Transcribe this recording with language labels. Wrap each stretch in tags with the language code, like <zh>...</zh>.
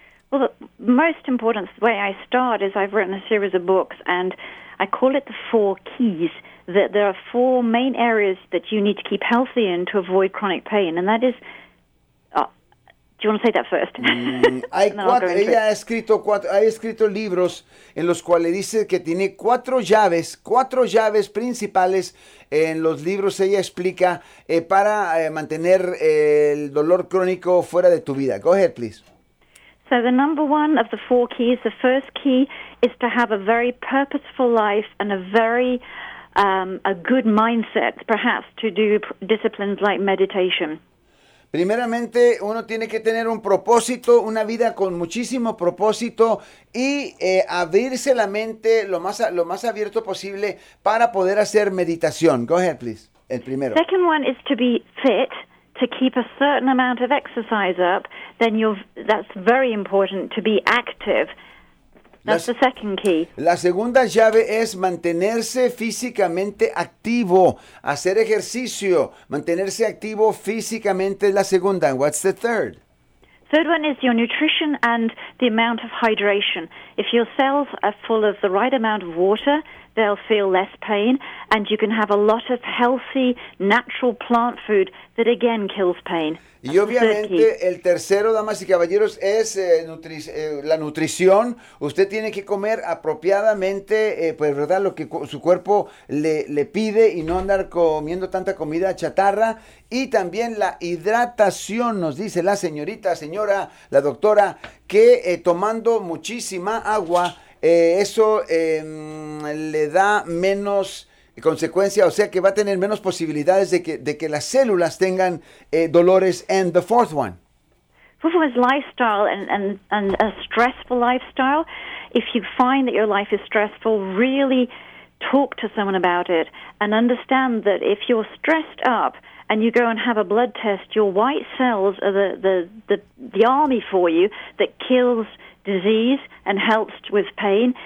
<en>Well, the most important way I start is I've written a series of books, and I call it the four keys, that there are four main areas that you need to keep healthy in to avoid chronic pain, and that is, do you want to say that first?</en> <es>Hay</es> <en>And then I'll go</en> <es>cuatro,</es> <en>into it.</en> <es>ella ha escrito cuatro, ha escrito libros en los cuales dice que tiene cuatro llaves principales en los libros, ella explica para mantener el dolor crónico fuera de tu vida.</es> <en>Go ahead, please. So the number one of the four keys, the first key is to have a very purposeful life and a very a good mindset, perhaps to do disciplines like meditation.</en> <es>Primeramente, uno tiene que tener un propósito, una vida con muchísimo propósito y abrirse la mente lo más abierto posible para poder hacer meditación.</es> <en>Go ahead, please.</en> <es>El primero.</es> <en>Second one is to be fit. To keep a certain amount of exercise up, then that's very important to be active. That's the second key.</en> <es>La segunda llave es mantenerse físicamente activo, hacer ejercicio, mantenerse activo físicamente es la segunda.</es> <en>What's the third? Third one is your nutrition and the amount of hydration. If your cells are full of the right amount of water, they'll feel less pain, and you can have a lot of healthy, natural plant food that again kills pain.</en> <es>Y</es> <en>That's the third key.</en> <es>obviamente el tercero, damas y caballeros, es la nutrición. Usted tiene que comer apropiadamente, pues, ¿verdad? Lo que cu su cuerpo le pide y no andar comiendo tanta comida chatarra. Y también la hidratación, nos dice la señorita, señora, la doctora, que tomando muchísima agua, eso le da menos consecuencia, o sea que va a tener menos posibilidades de que las células tengan dolores.</es> <en>And the fourth one. Fourth one is lifestyle and a stressful lifestyle. if you find that your life is stressful, really talk to someone about it and understand that if you're stressed up and you go and have a blood test, your white cells are the army for you that kills disease and helps with pain.</en>